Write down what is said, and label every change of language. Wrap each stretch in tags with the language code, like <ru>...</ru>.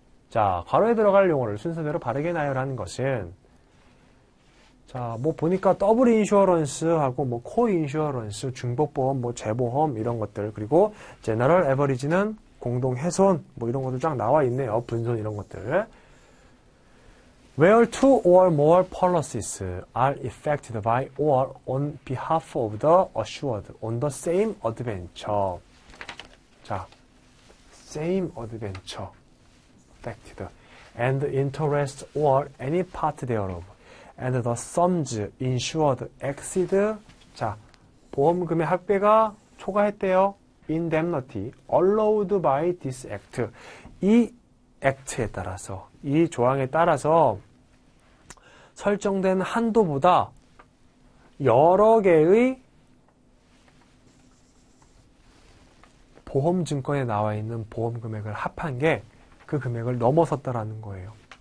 <ko>자, 괄호에 들어갈 용어를 순서대로 바르게 나열하는 것은, 자, 뭐 보니까 더블 인슈어런스하고 뭐코 인슈어런스, 중복보험, 뭐 재보험 이런 것들, 그리고 제너럴 에버리지는 공동훼손 뭐 이런 것도 쫙 나와 있네요. 분손 이런 것들.</ko> <en>Where two or more policies are effected by or on behalf of the assured on the same adventure. 자, same adventure effected and interest or any part thereof and the sums insured exceed.</en> <ko>자, 보험금의 합계가 초과했대요.</ko> <en>indemnity allowed by this act.</en> <ko>이 act에 따라서, 이 조항에 따라서 설정된 한도보다 여러 개의 보험 증권에 나와 있는 보험 금액을 합한 게그 금액을 넘어섰다라는 거예요.</ko>